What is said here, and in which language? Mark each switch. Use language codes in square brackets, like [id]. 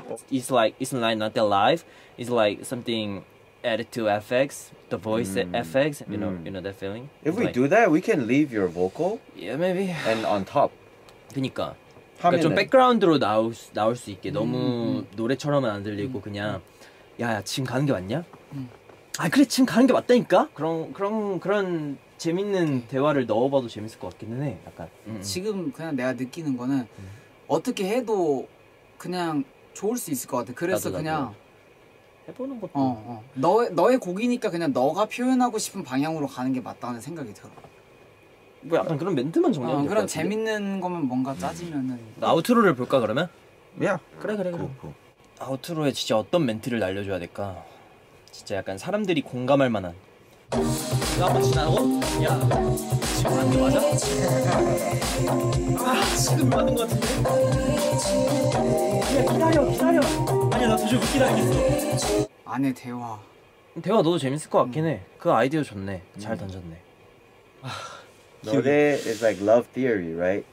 [en] It's like, it's like not their life. It's like something added to FX, the voice FX, you know that feeling? If we do that, we can leave your vocal. Yeah, maybe. And on top. [ko] 그니까. 그러니까 좀 백그라운드로 나올 수 있게 너무 노래처럼은 안 들리고 그냥 야야 지금 가는 게 맞냐? 아, 그래, 지금 가는 게 맞다니까? 그런 재밌는 대화를 넣어봐도 재밌을 것 같기는 해, 약간. 지금 그냥 내가 느끼는 거는 어떻게 해도 그냥 좋을 수 있을 것 같아. 그래서 나도. 그냥 해보는 것도 너의 곡이니까 그냥 너가 표현하고 싶은 방향으로 가는 게 맞다는 생각이 들어. 뭐 약간 그런 멘트만 정리하면 될 것 같은데? 그런 재밌는 거면 뭔가 짜지면은 아우트로를 볼까 그러면? 야, 그래. 아우트로에 진짜 어떤 멘트를 날려줘야 될까? 진짜 약간 사람들이 공감할 만한. 이거 한번 지나고? 야, 지금 하는 게 맞아? 아, 지금 맞는 것 같은데? 야, 기다려. 아니야, 나 도저히 못 기다리겠어. 안에 대화. 대화 너도 재밌을 것 같긴 해. 그 아이디어 좋네. 잘 던졌네. [en] 노래 is like love theory, right?